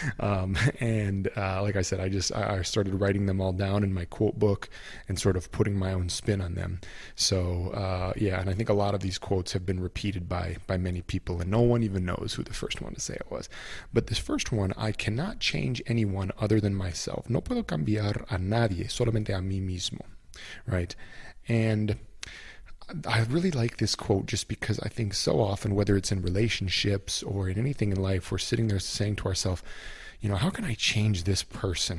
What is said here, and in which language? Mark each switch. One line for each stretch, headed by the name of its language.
English: Like I said, I started writing them all down in my quote book and sort of putting my own spin on them. So yeah, and I think a lot of these quotes have been repeated by many people and no one even knows who the first one to say it was. But this first one, I cannot change anyone other than myself.
Spanish: No puedo cambiar a nadie, solamente a mí mismo, right?
English: And I really like this quote just because I think so often, whether it's in relationships or in anything in life, we're sitting there saying to ourselves, you know, how can I change this person?